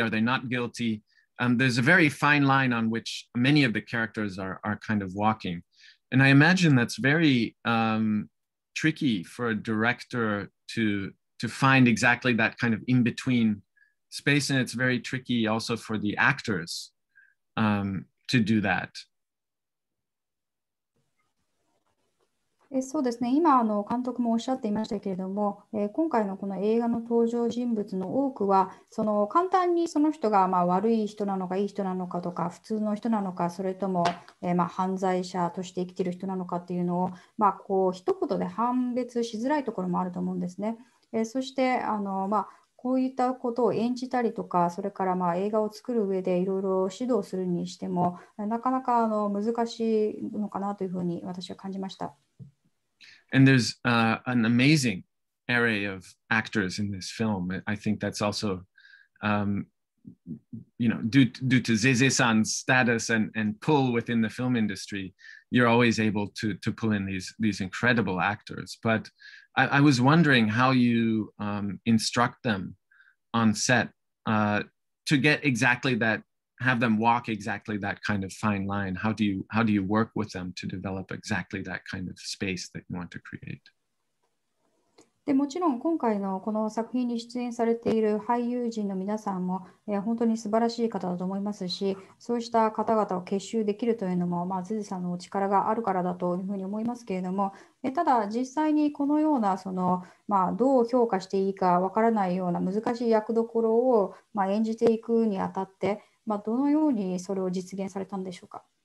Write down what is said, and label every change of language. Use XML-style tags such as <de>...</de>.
<en>Are they not guilty? There's a very fine line on which many of the characters are kind of walking. And I imagine that's very tricky for a director to find exactly that kind of in-between space. And it's very tricky also for the actors to do that.</en> <ja>そうですね、今監督もおっしゃっていましたけれども、今回のこの映画の登場人物の多くは、その簡単にその人がまあ悪い人なのかいい人なのかとか、普通の人なのか、それとも、まあ犯罪者として生きている人なのかっていうのを、まあ、こう一言で判別しづらいところもあると思うんですね。そしてまあこういったことを演じたりとか、それからまあ映画を作る上でいろいろ指導するにしても、なかなか難しいのかなというふうに私は感じました。</ja> <en>And there's an amazing array of actors in this film. I think that's also, you know, due to Zeze-san's status and pull within the film industry, you're always able to pull in these incredible actors. But I was wondering how you instruct them on set to get exactly that, have them walk exactly that kind of fine line. How do you work with them to develop exactly that kind of space that you want to create?</en> <ja>でもちろん今回のこの作品に出演されている俳優陣の皆さんも、本当に素晴らしい方だと思いますし、そうした方々を結集できるというのも、まあ、ズズさんのお力があるからだというふうに思いますけれども、ただ実際にこのようなその、まあ、どう評価していいかわからないような難しい役どころを、まあ、演じていくにあたって、まあ、どのようにそれを実現されたんでしょうか。</ja>